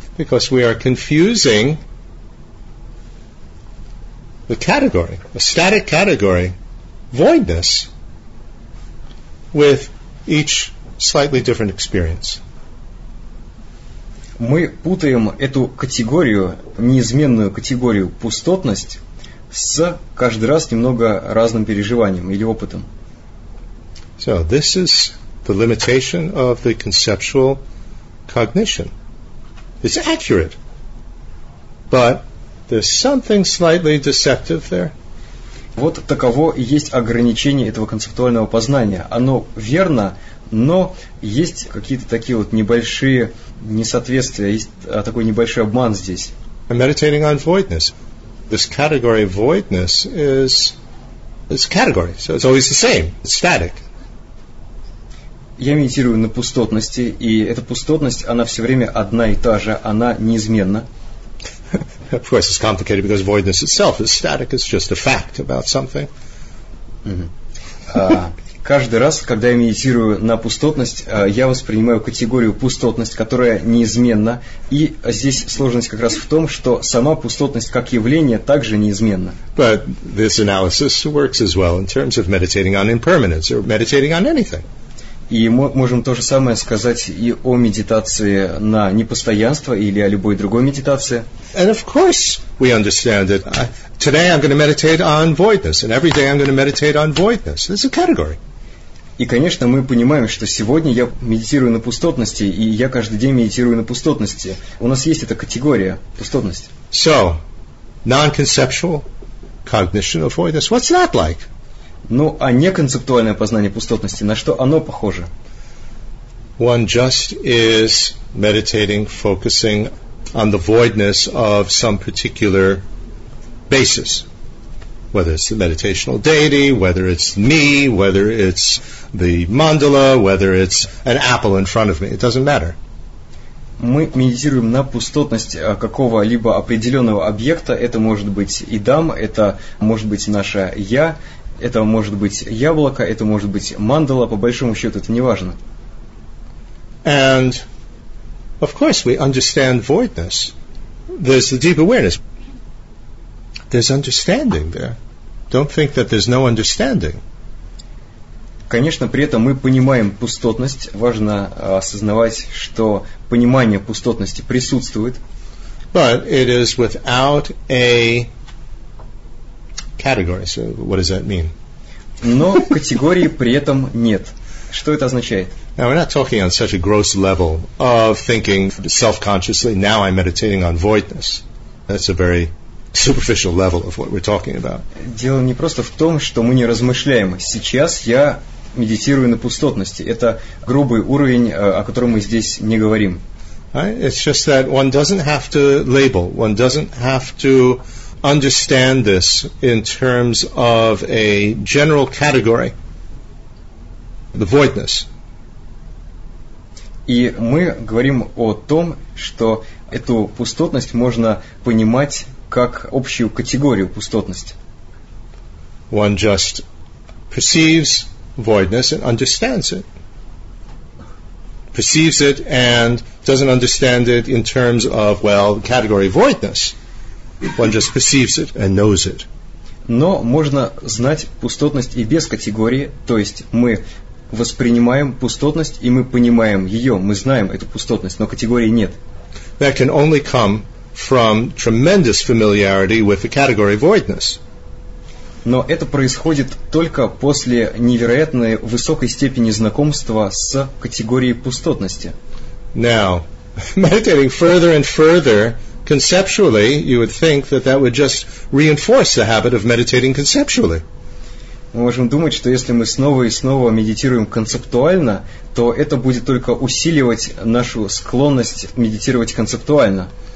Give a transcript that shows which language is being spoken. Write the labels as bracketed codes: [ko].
[en] Because we are confusing the category, a static category, voidness with each slightly different experience. [ru] Мы путаем эту категорию, неизменную категорию пустотность, с каждый раз немного разным переживанием или опытом. [en] So this is the limitation of the conceptual cognition. It's accurate, but there's something slightly deceptive there. [ru] Вот таково и есть ограничение этого концептуального познания. Оно верно, но есть какие-то такие вот небольшие несоответствия, есть такой небольшой обман здесь. [en] I'm meditating on voidness. This category of voidness is it's a category, so it's always the same, it's static. [ru] Я медитирую на пустотности, и эта пустотность, она все время одна и та же, она неизменна. [en] Of course, it's complicated because voidness itself is static. It's just a fact about something. [ru] Каждый раз, когда я медитирую на пустотность, я воспринимаю категорию пустотность, которая неизменна. И здесь сложность как раз в том, что сама пустотность как явление также неизменна. [en] But this analysis works as well in terms of meditating on impermanence or meditating on anything. [ru] И мы можем то же самое сказать и о медитации на непостоянство или о любой другой медитации. [en] And of course we understand that today I'm going to meditate on voidness, and every day I'm going to meditate on voidness. It's a category. [ru] И, конечно, мы понимаем, что сегодня я медитирую на пустотности, и я каждый день медитирую на пустотности. У нас есть эта категория, пустотность. [en] So, non-conceptual cognition of voidness, what's that like? [ru] Ну, а неконцептуальное познание пустотности, на что оно похоже? [en] One just is meditating, focusing on the voidness of some particular basis. Whether it's the meditational deity, whether it's me, whether it's the mandala, whether it's an apple in front of me. It doesn't matter. [ru] Мы медитируем на пустотность какого-либо определенного объекта. Это может быть идам, это может быть наше «я». Это может быть яблоко, это может быть мандала, по большому счету это не важно. [en] And of course we understand voidness. There's the deep awareness. There's understanding there. Don't think that there's no understanding. [ru] Конечно, при этом мы понимаем пустотность. Важно осознавать, что понимание пустотности присутствует. [en] But it is without a category. So what does that mean? [ru] Но категории при этом нет. Что это означает? [en] Now we're not talking on such a gross level of thinking self-consciously. Now I'm meditating on voidness. That's a very superficial level of what we're talking about. [ru] Дело не просто в том, что мы не размышляем. Сейчас я медитирую на пустотности. Это грубый уровень, о котором мы здесь не говорим. [en] It's just that one doesn't have to label. One doesn't have to understand this in terms of a general category, the voidness. [ru] И мы говорим о том, что эту пустотность можно понимать как общую категорию пустотность. [en] One just perceives voidness and understands it. Perceives it and doesn't understand it in terms of, well, category voidness. One just perceives it and knows it. [ru] Но можно знать пустотность и без категории, то есть мы воспринимаем пустотность и мы понимаем ее, мы знаем эту пустотность, но категории нет. [en] That can only come from tremendous familiarity with the category voidness. [ru] Но это происходит только после невероятной высокой степени знакомства с категорией пустотности. [en] Now, meditating further and further, conceptually, you would think that that would just reinforce the habit of meditating conceptually. [ru] Мы можем думать, что если мы снова и снова медитируем концептуально, то это будет только усиливать нашу склонность медитировать концептуально.